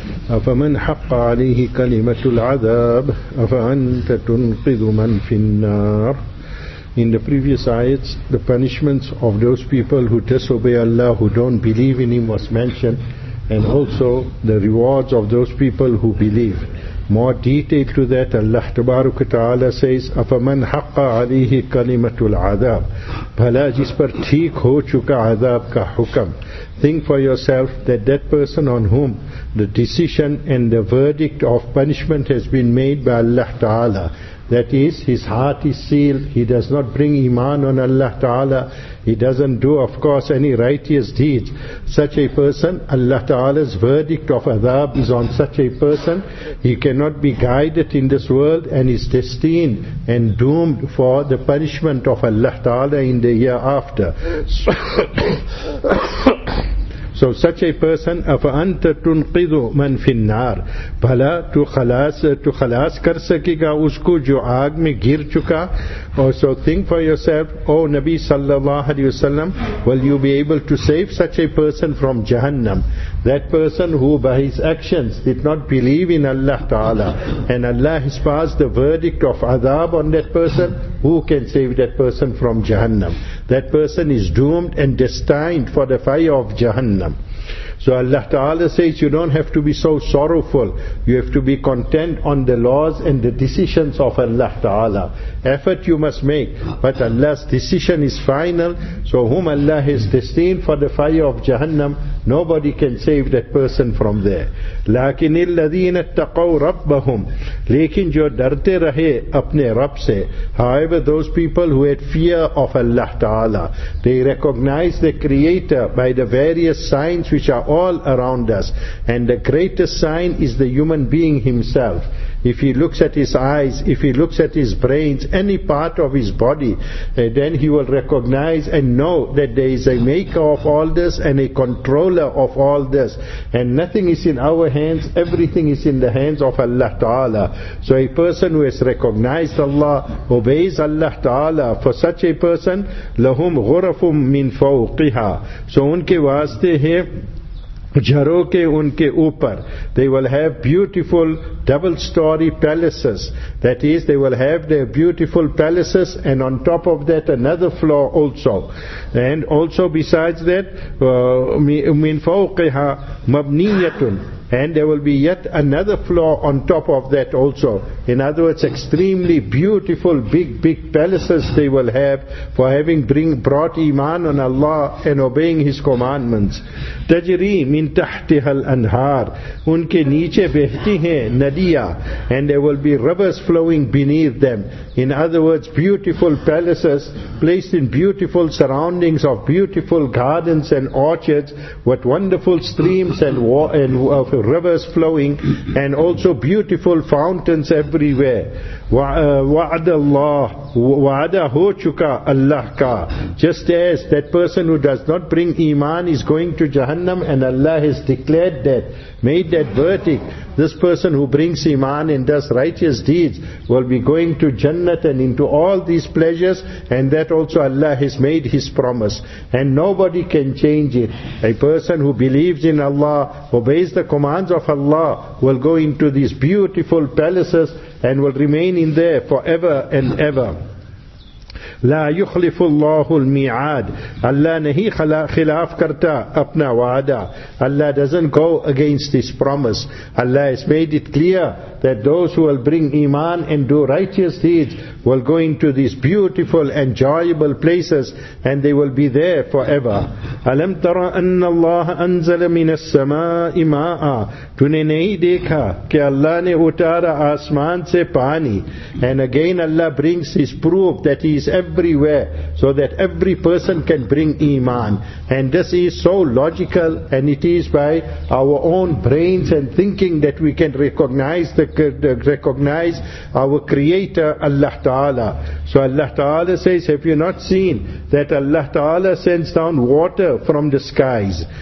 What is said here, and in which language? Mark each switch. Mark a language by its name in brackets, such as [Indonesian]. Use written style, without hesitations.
[Arabic] أفمن حق عليه كلمة العذاب أفأنت تنقذ من في النار. [English] In the previous ayats, the punishments of those people who disobey Allah, who don't believe in Him, was mentioned, and also the rewards of those people who believe. More detail to that, Allah Tabaruk Ta'ala says, [Arabic] أَفَمَنْ حَقَّ عَلِيهِ كَلِمَةُ الْعَذَابِ [Urdu] بھلا جس پر ٹھیک ہو چکا عذاب کا حکم. [English] Think for yourself that person on whom the decision and the verdict of punishment has been made by Allah Ta'ala, that is, his heart is sealed, he does not bring iman on Allah Ta'ala, he doesn't do, of course, any righteous deeds. Such a person, Allah Ta'ala's verdict of adab is on such a person. He cannot be guided in this world and is destined and doomed for the punishment of Allah Ta'ala in the year after. So such a person, [Arabic] أَفَأَنْتَ تُنْقِذُ مَنْ فِي النَّارِ [Urdu] بھلا تو خلاص کر سکے گا اس کو جو آگ میں گر چکا. [English] So think for yourself, O Nabi sallallahu alayhi wa sallam, will you be able to save such a person from Jahannam? That person who by his actions did not believe in Allah Ta'ala, and Allah has passed the verdict of adab on that person, who can save that person from Jahannam? That person is doomed and destined for the fire of Jahannam. So Allah Ta'ala says, you don't have to be so sorrowful. You have to be content on the laws and the decisions of Allah Ta'ala. Effort you must make, but Allah's decision is final. So whom Allah has destined for the fire of Jahannam, nobody can save that person from there. [Arabic] لَكِنِ الَّذِينَ اتَّقَوْ رَبَّهُمْ. [Urdu] لیکن جو ڈرتے رہے اپنے رب سے. [English] However, those people who had fear of Allah Ta'ala, they recognize the Creator by the various signs which are all around us. And the greatest sign is the human being himself. If he looks at his eyes, if he looks at his brains, any part of his body, then he will recognize and know that there is a maker of all this and a controller of all this. And nothing is in our hands, everything is in the hands of Allah Ta'ala. So a person who has recognized Allah, obeys Allah Ta'ala, for such a person, [Arabic] لَهُمْ غُرَفٌ مِّن فَوْقِهَا. [Urdu] So unke waaste hai, جھروں کے ان کے اوپر. [English] They will have beautiful double-story palaces. That is, they will have their beautiful palaces, and on top of that another floor also. And also besides that, [Arabic] مِن فَوْقِهَا مَبْنِيَّةٌ. [English] And there will be yet another floor on top of that also. In other words, extremely beautiful, big palaces they will have for having brought iman on Allah and obeying His commandments. [Arabic] تجري من تحتها الأنهار. [Urdu] ان کے نیچے بہتی ہیں ندیاں. [English] And there will be rivers flowing beneath them. In other words, beautiful palaces placed in beautiful surroundings of beautiful gardens and orchards, with wonderful streams and rivers flowing, and also beautiful fountains everywhere. [Arabic] وَعَدَهُ چُكَ اللَّهَ. [English] Just as that person who does not bring iman is going to Jahannam, and Allah has declared that, made that verdict, this person who brings iman and does righteous deeds will be going to Jannat and into all these pleasures, and that also Allah has made His promise, and nobody can change it. A person who believes in Allah, obeys the commands of Allah, will go into these beautiful palaces and will remain in there forever and ever. [Arabic] لا يخلف الله الميعاد. [Urdu] Allah نہیں خلاف کرتا اپنا وعدہ. [English] Allah doesn't go against His promise. Allah has made it clear that those who will bring iman and do righteous deeds will go into these beautiful, enjoyable places, and they will be there forever. [Arabic] أَلَمْ تَرَ أَنَّ اللَّهَ أَنزَلَ مِنَ السَّمَاءِ مَاءً. [Urdu] تُنے نہیں دیکھا کہ اللہ نے اتارا آسمان سے پانی. [English] And again Allah brings His proof that He is everywhere, so that every person can bring iman. And this is so logical, and it is by our own brains and thinking that we can recognize our Creator, Allah Ta'ala. So Allah Ta'ala says, have you not seen that Allah Ta'ala sends down water from the skies.